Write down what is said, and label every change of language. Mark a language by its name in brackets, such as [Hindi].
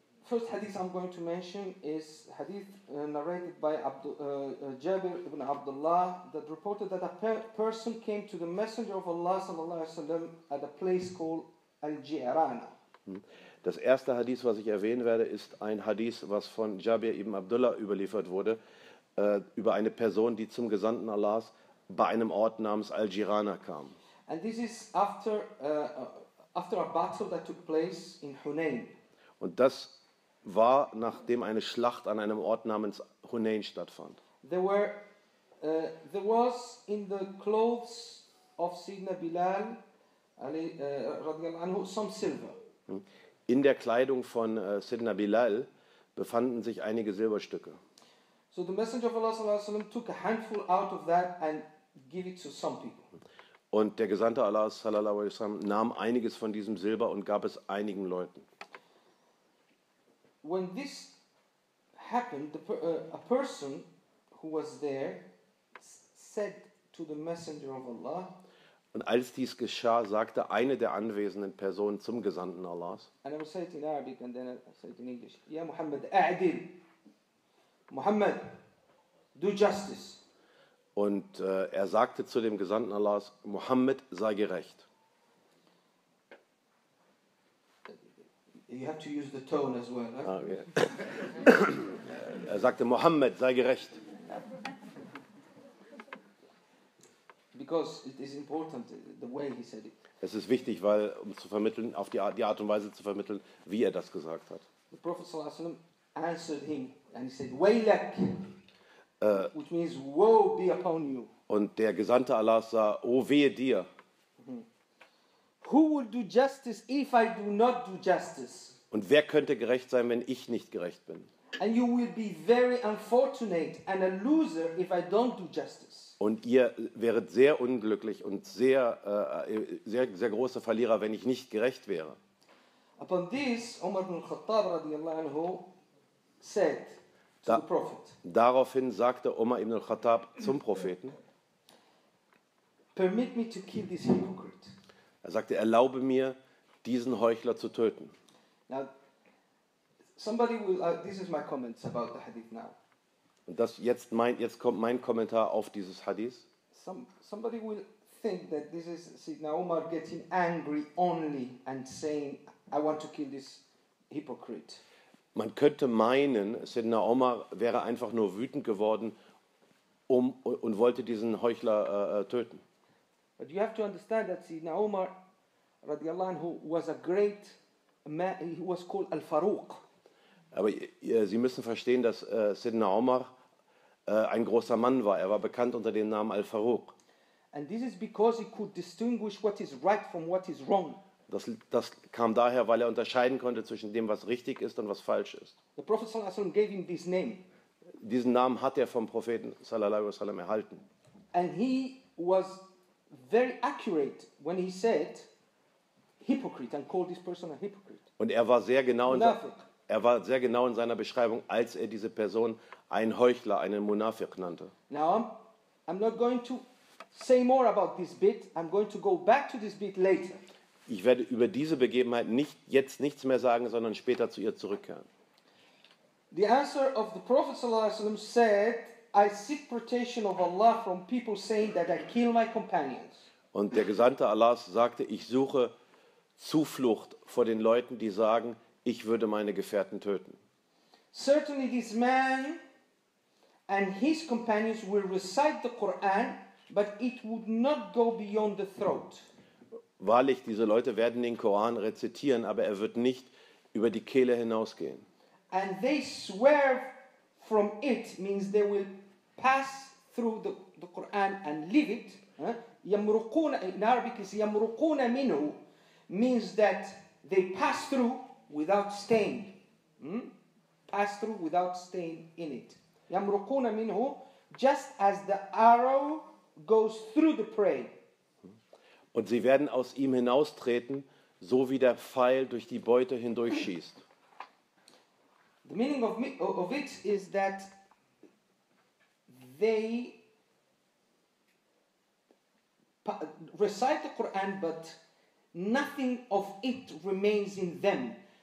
[English] First hadith I'm going to mention is hadith narrated by Jabir ibn Abdullah that reported that a person came to the Messenger of Allah sallallahu alaihi wasallam at a place called Al-Jirana. [German] Das erste Hadith, was ich erwähnen werde, ist ein Hadith, was von Jabir ibn Abdullah überliefert wurde, über eine Person, die zum Gesandten Allahs bei einem Ort namens Al-Jirana kam. [English] And this is after a battle that took place in Hunain. [German] Und das war, nachdem eine Schlacht an einem Ort namens Hunain stattfand. [English] There was in the clothes of Sidna Bilal, radiallahu anhu, some silver. [German] In der Kleidung von Sidna Bilal befanden sich einige Silberstücke. [English] So the Messenger of Allah sallallahu alaihi wasallam took a handful out of that and gave it to some people. [German] Und der Gesandte Allah sallallahu alaihi wasallam nahm einiges von diesem Silber und gab es einigen Leuten. [English] When this happened, a person who was there said to the Messenger of Allah. [German] Und als dies geschah, sagte eine der anwesenden Personen zum Gesandten Allahs. [English] And I will say it in Arabic and then I will say it in English. [Arabic] Ya Muhammad, a'dil. [English] Muhammad, do justice. [German] Und er sagte zu dem Gesandten Allahs, Muhammad, sei gerecht. [English] You have to use the tone as well. Right? [German] Okay. Er sagte, Mohammed, sei gerecht. [English] Because it is important the way he said it. [German] Es ist wichtig, weil um zu vermitteln, auf die Art und Weise zu vermitteln, wie er das gesagt hat. [English] The Prophet sallallahu alaihi wasallam answered him and he said, "Waylak," which means "Woe be upon you." [German] Und der Gesandte Allah sah, "O wehe dir." [English] Who will do justice if I do not do justice? [German] Und wer könnte gerecht sein, wenn ich nicht gerecht bin? [English] And you will be very unfortunate and a loser if I don't do justice. [German] Und ihr wäret sehr unglücklich und sehr sehr sehr großer Verlierer, wenn ich nicht gerecht wäre. [English] Upon this, Umar bin Khattab radiallahu anhu said to the Prophet. [German] Daraufhin sagte Umar ibn al-Khattab zum Propheten: [English] "Permit me to kill this hypocrite." [German] Er sagte: "Erlaube mir, diesen Heuchler zu töten." [English] Now, somebody will. This is my comments about the hadith now. [German] Und das jetzt meint, jetzt kommt mein Kommentar auf dieses Hadith. [English] Somebody will think that this is Sidna Umar getting angry only and saying, "I want to kill this hypocrite." [German] Man könnte meinen, Sidna Umar wäre einfach nur wütend geworden, und wollte diesen Heuchler töten. [English] But you have to understand that Sidna Umar, radiallahu anhu, was a great man. He was called Al-Faruq. [German] Aber Sie müssen verstehen, dass Sidna Umar ein großer Mann war. Er war bekannt unter dem Namen Al-Faruq. [English] And this is because he could distinguish what is right from what is wrong. [German] Das kam daher, weil er unterscheiden konnte zwischen dem, was richtig ist und was falsch ist. [English] The Prophet sallallahu alaihi wasallam gave him this name. [German] Diesen Namen hat er vom Propheten sallallahu alaihi wasallam erhalten. [English] And he was very accurate when he said hypocrite and called this person a hypocrite. [German] Und er war sehr genau in er war sehr genau in seiner Beschreibung, als er diese Person einen Heuchler, einen Munafiq nannte. [English] Now, I'm not going to say more about this bit. I'm going to go back to this bit later. [German] Ich werde über diese Begebenheit nichts mehr sagen, sondern später zu ihr zurückkehren. [English] The answer of the Prophet sallallahu alaihi wasallam said, "I seek protection of Allah from people saying that I kill my companions." [German] Und der Gesandte Allahs sagte, ich suche Zuflucht vor den Leuten, die sagen, ich würde meine Gefährten töten. [English] Certainly this man and his companions will recite the Quran, but it would not go beyond the throat. [German] Wahrlich, diese Leute werden den Koran rezitieren, aber er wird nicht über die Kehle hinausgehen. [English] And they swear from it, means they will pass through the Quran and leave it. Yamruquna, in Arabic is yamruquna minhu, means that they pass through without stain. Pass through without stain in it. Yamruquna minhu, just as the arrow goes through the prey. [German] Und sie werden aus ihm hinaustreten, so wie der Pfeil durch die Beute hindurchschießt. [English] The meaning of it is that they recite the Quran, but nothing of it remains in them.